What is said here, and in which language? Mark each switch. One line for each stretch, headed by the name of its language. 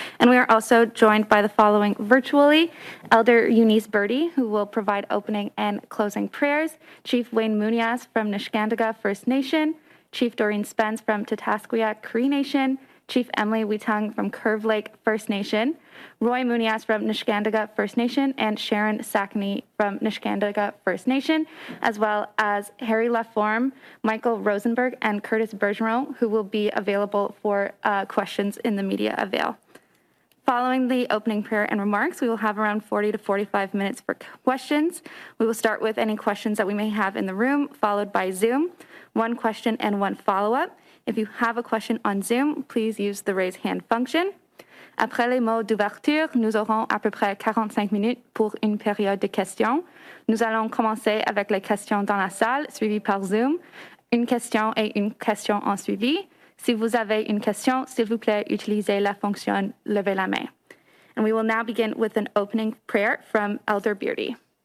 English: And we are also joined by the following virtually: Elder Eunice Birdie, who will provide opening and closing prayers; Chief Wayne Munias from Nishkandaga First Nation; Chief Doreen Spence from Tataskwiak Cree Nation; Chief Emily Witang from Curve Lake First Nation; Roy Munias from Nishkandaga First Nation; and Sharon Sackney from Nishkandaga First Nation, as well as Harry Laforme, Michael Rosenberg, and Curtis Bergeron, who will be available for questions in the media avail. Following the opening prayer and remarks, we will have around 40 to 45 minutes for questions. We will start with any questions that we may have in the room, followed by Zoom, one question and one follow-up. If you have a question on Zoom, please use the raise hand function.
French: Après les mots d'ouverture, nous aurons à peu près 45 minutes pour une période de questions. Nous allons commencer avec les questions dans la salle, suivies par Zoom. Une question et une question en suivi. Si vous avez une question, s'il vous plaît, utilisez la fonction lever la main.
English: And we will now begin with an opening prayer from Elder Beardy.